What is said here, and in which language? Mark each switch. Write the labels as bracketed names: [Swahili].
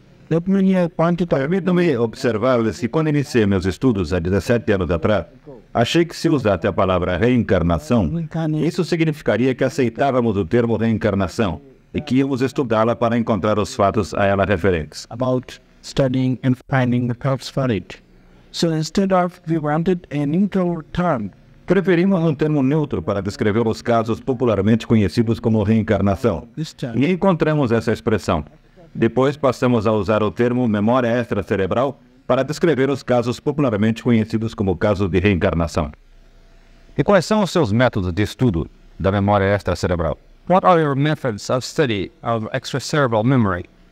[Portuguese] Permitam-me observar-lhes que quando iniciei meus estudos há 17 anos atrás, achei que se usasse a palavra reencarnação, isso significaria que aceitávamos o termo reencarnação e que íamos estudá-la para encontrar os fatos a ela referentes. [English] About studying and finding the facts for it. So instead of we wanted a neutral term. [Portuguese] Preferimos um termo neutro para descrever os casos popularmente conhecidos como reencarnação. E encontramos essa expressão. Depois passamos a usar o termo memória extracerebral para descrever os casos popularmente conhecidos como casos de reencarnação. E quais são os seus métodos de estudo da memória extracerebral? [English] What are your methods of study of extracerebral memory?